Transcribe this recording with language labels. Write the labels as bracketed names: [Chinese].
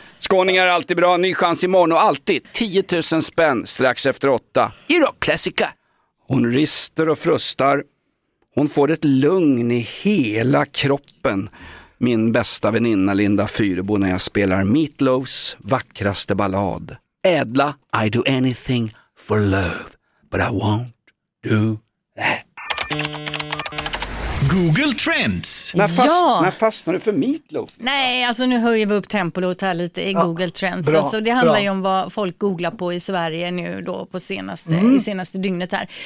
[Swedish] Skåningar är alltid bra. Ny chans imorgon och alltid 10 000 spänn strax efter 8:00. I Rockklassika. Hon rister och frustar. Hon får ett lugn i hela kroppen. Min bästa väninna Linda Fyrebo när jag spelar Meatloaf's vackraste ballad. [English] Ädla, I do anything for love, but I won't do that. [Swedish] Google Trends. När fastnar du för meatloaf? Nej, alltså nu höjer vi upp tempo och tar lite i Google Trends. Alltså, det handlar ju om vad folk googlar på i Sverige nu då på senaste dygnet här.